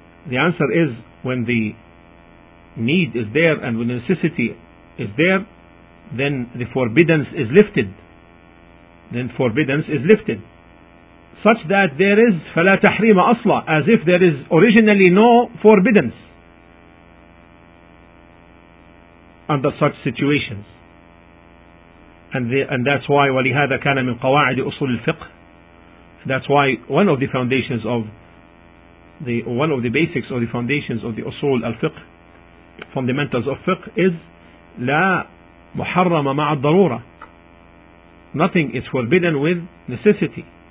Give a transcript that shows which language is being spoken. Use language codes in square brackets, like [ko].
[en] The answer is, when the need is there and when necessity is there, then the forbiddance is lifted. Then forbiddance is lifted, such that there is [ar] فَلَا تَحْرِيمَ أَصْلًا, [en] as if there is originally no forbiddance under such situations. And that's why [ar] وَلِهَذَا كَانَ مِنْ قَوَاعِدِ أُصُولِ الْفِقْهِ. [en] That's why one of the foundations of the one of the basics or the foundations of the أصول الفقه, fundamentals of fiqh, is [ar] لا محرم مع الضرورة. [en] Nothing is forbidden with necessity.